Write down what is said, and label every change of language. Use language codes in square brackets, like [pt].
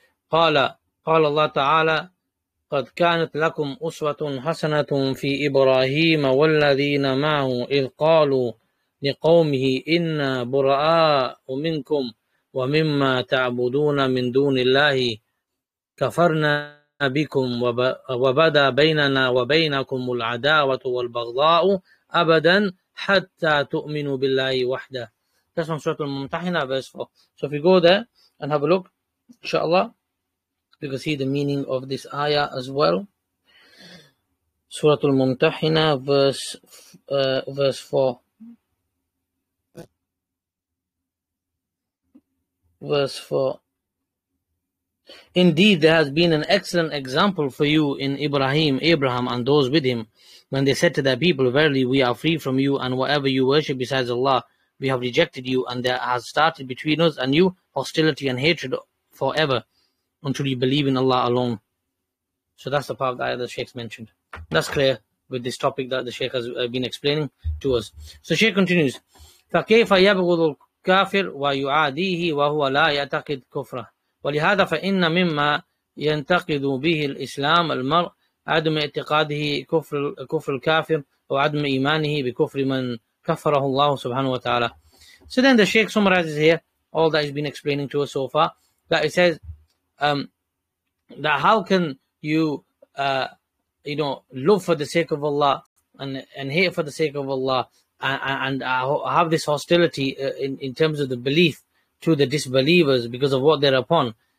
[ar] قال الله تعالى قد كانت لكم أسوة حسنة في إبراهيم والذين معه إذ قالوا لقومه إنا براء منكم ومما تعبدون من دون الله كفرنا بكم وبدا بيننا وبينكم العداوة والبغضاء أبدا حتى تؤمنوا بالله وحده. [en] That's from Surah Al-Mumtahina, verse 4. So if you go there and have a look, inshallah, you can see the meaning of this ayah as well. Surah Al-Mumtahina, verse 4. Indeed, there has been an excellent example for you in Abraham and those with him, when they said to their people, verily, we are free from you, and whatever you worship besides Allah, we have rejected you, and there has started between us and you hostility and hatred forever, until you believe in Allah alone. So that's the part of the ayah that the Shaykh mentioned. That's clear with this topic that the Shaykh has been explaining to us. So Shaykh continues, [ar] فَكَيْفَ يَبْغُضُ الْكَافِرُ وَيُعَادِيهِ وَهُوَ لَا يَعْتَقِدْ كُفْرَهُ. ولهذا فإن مما ينتقد به الإسلام المرء عدم اعتقاده كفر الكافر وعدم إيمانه بكفر من كفره الله سبحانه وتعالى. [en] So then the Shaykh summarizes here all that he's been explaining to us so far, that he says that how can you love for the sake of Allah and hate for the sake of Allah, and have this hostility in terms of the belief to the disbelievers because of what they're upon.